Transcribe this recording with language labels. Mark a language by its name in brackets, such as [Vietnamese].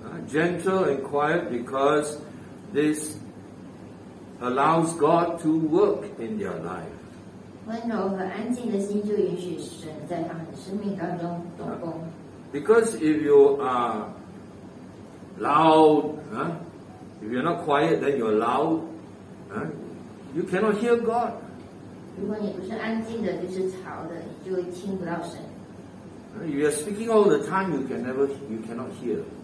[English] Gentle and quiet because this allows God to work in their life. Because if you are loud, if you're not quiet, then you're loud, you cannot hear God. [Chinese] 如果你不是安静的，就是吵的，你就听不到神。 [English] You are speaking all the time, you cannot hear.